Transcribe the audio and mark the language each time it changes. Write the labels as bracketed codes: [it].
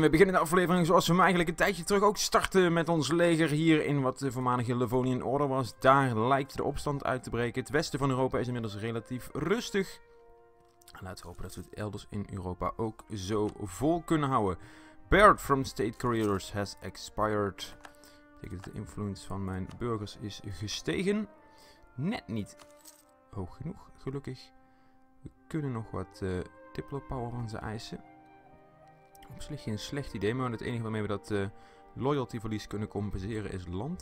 [nl] We beginnen de aflevering zoals we hem eigenlijk een tijdje terug ook starten met ons leger hier in wat de voormalige Livonian Order was. Daar lijkt de opstand uit te breken. Het westen van Europa is inmiddels relatief rustig. Laten we hopen dat we het elders in Europa ook zo vol kunnen houden. [en] Baird from State Careers has expired. [nl] Ik denk dat de influence van mijn burgers is gestegen. Net niet hoog genoeg, gelukkig. We kunnen nog wat diplopower van ze eisen. Op zich geen slecht idee, maar het enige waarmee we dat loyaltyverlies kunnen compenseren is land.